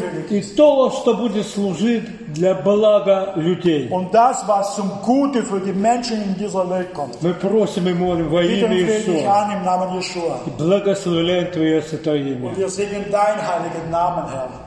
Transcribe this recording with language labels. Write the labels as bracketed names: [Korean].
[Russian] И то, что будет служить для блага людей. [German] Und das, was zum Gute für die Menschen in dieser Welt kommt. [Russian] Мы просим и молим во имя Иисуса. И благословляем Твое святое имя. [German] Und wir singen dein heiligen Namen, Herr.